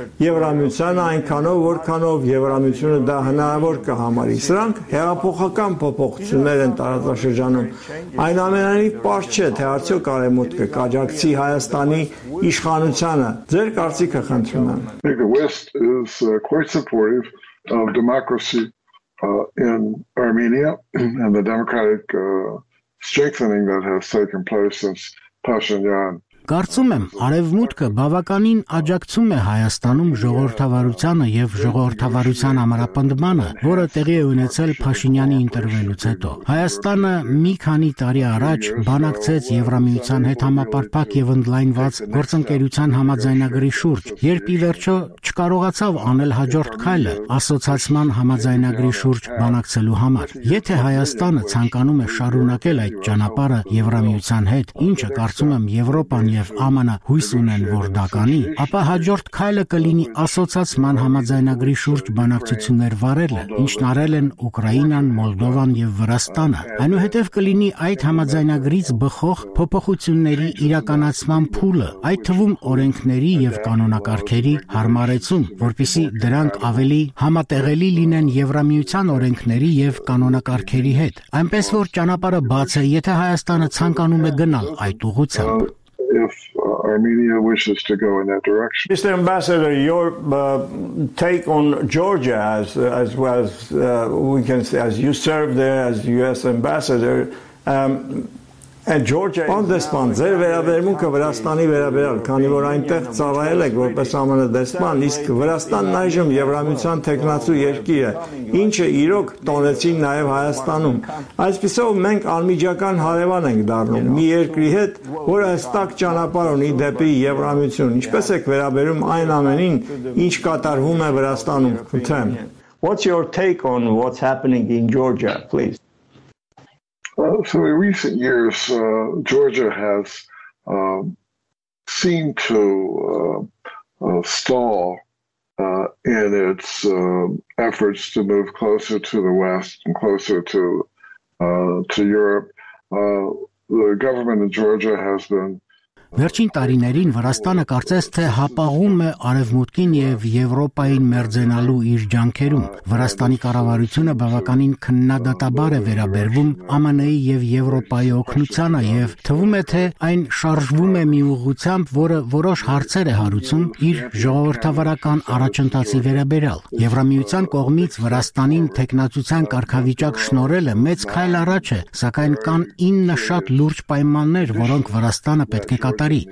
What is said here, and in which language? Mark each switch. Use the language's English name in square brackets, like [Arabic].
[Armenian] Եվրամիությանը այնքանով, որքանով Եվրամիությունը դա հնարավոր կհամարի։ Սրանք հեղափոխական փոփոխություններ են տարածաշրջանում։ Այնուամենայնիվ պարզ չէ, թե արդյոք արևմուտքը կաջակցի Հայաստանի իշխանությանը։ Ձեր կարծիքը խնդրում եմ։ [English] The West is quite supportive of democracy in Armenia and the democratic strengthening that has taken place since Pashinyan. [Armenian] Կարծում եմ, արևմուտքը բավականին աջակցում է Հայաստանում ժողովրդավարությանը եւ ժողովրդավարության համապնդմանը, որը տեղի է ունեցել Փաշինյանի ինտերվենուց հետո։ Հայաստանը մի քանի տարի առաջ բանակցեց Եվրամիության հետ համապարփակ եւ ընդլայնված գործընկերության համաձայնագրի շուրջ, երբ ի վերջո չկարողացավ անել հաջորդ քայլը ասոցացման համաձայնագրի շուրջ բանակցելու համար։ Եթե Հայաստանը ցանկանում է շարունակել այդ ճանապարհը Եվրամիության հետ, ինչը կարծում եմ Եվրոպա և ԱՄՆ-ը հույս ունեն, որ դա կանի, ապա հաջորդ քայլը կլինի ասոցացման համաձայնագրի շուրջ բանակցություններ վարելը, ինչն արել են Ուկրաինան, Մոլդովան և Վրաստանը։ Այնուհետև կլինի այդ համաձայնագրից բխող փոփոխությունների իրականացման փուլը, այդ թվում օրենքների և կանոնակարգերի հարմարեցում, որպեսզի դրանք ավելի համատեղելի լինեն Եվրամիության օրենքների և կանոնակարգերի հետ։ Այնպես որ ճանապարհը բաց է, եթե Հայաստանը ցանկանում է գնալ այդ ուղությամբ։ [English] If Armenia wishes to go in that direction. Mr. Ambassador, your take on Georgia, as we can say, as you serve there as U.S. ambassador, and Georgia. On this point, [Armenian] ձեր վերաբերմունքը Վրաստանի վերաբերյալ, քանի որ այնտեղ ծառայել եք որպես ԱՄՆ դեսպան, իսկ Վրաստանն այժմ Եվրամիության թեկնածու երկիր է, ինչը իրոք տոնեցին նաև Հայաստանում։ Այսպիսով մենք անմիջական հարևան ենք դառնում մի երկրի հետ, որը հստակ ճանապարհ ունի դեպի Եվրամիություն։ Ինչպես եք վերաբերում այն ամենին, ինչ կատարվում է Վրաստանում, քթեմ։ [English] What's your take on what's happening in Georgia, please? Well, so in recent years, Georgia has seemed to stall in its efforts to move closer to the West and closer to Europe. The government in Georgia has been. [Armenian] Վերջին տարիներին Վրաստանը կարծես թե հապաղում է արևմուտքին եւ Եվրոպային մերձենալու իր ջանքերում։ Վրաստանի կառավարությունը բավականին քննադատաբար է վերաբերվում ԱՄՆ-ի եւ Եվրոպայի օգնությանը եւ թվում է, թե այն շարժվում է մի ուղղությամբ, որը որոշ հարցեր է հարուցում իր ժողովրդավարական առաջընթացի վերաբերյալ։ Եվրամիության կողմից Վրաստանին թեկնածության կարգավիճակ շնորելը մեծ քայլ առաջ է, սակայն կան 9 շատ լուրջ պայմաններ, որոնք Վրաստանը պետք կատարի